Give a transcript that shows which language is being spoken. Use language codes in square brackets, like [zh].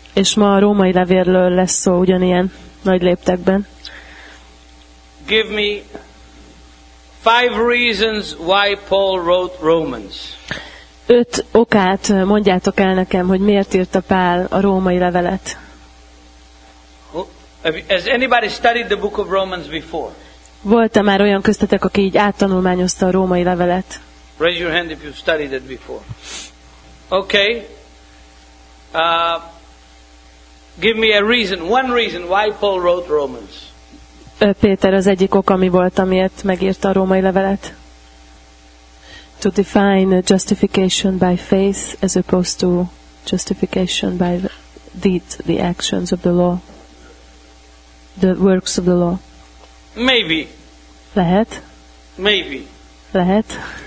[hu] És ma a római levélről lesz szó ugyanilyen nagy léptekben. [en] Give me five reasons why Paul wrote Romans. [hu] Öt okát mondjátok el nekem, hogy miért írta Pál a római levelet. [en] Has anybody studied the book of Romans before? [hu] Volt-e már olyan köztetek, aki így áttanulmányozta a római levelet? [en] Raise your hand if you've studied it before. Okay. Give me a reason, one reason why Paul wrote Romans. [hu] Péter az egyik ok, ami volt, amiért megírta a római levelet. [en] To define justification by faith as opposed to justification by the deeds, the actions of the law, the works of the law. Maybe. [hu] Lehet. [en] Maybe. [hu] Lehet.